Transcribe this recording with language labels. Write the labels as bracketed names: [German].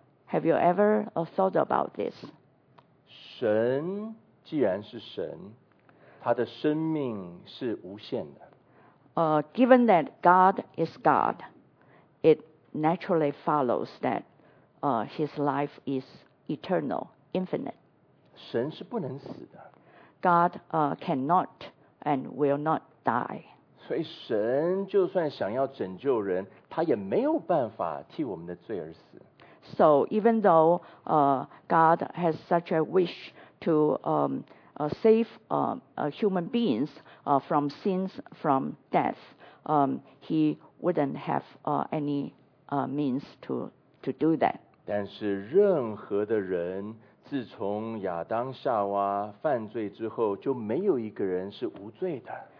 [English] Have you ever thought about this? [Chinese] 神既然是神，他的生命是无限的。 [English] Given that God is God, it naturally follows that his life is eternal, infinite. [Chinese] 神是不能死的。 [English] God cannot and will not die. [Chinese] 所以神就算想要拯救人，他也没有办法替我们的罪而死。 [English] So even though God has such a wish to save human beings from sins, from death, he wouldn't have any means to do that. [Chinese] 但是任何的人自从亚当夏娃犯罪之后就没有一个人是无罪的。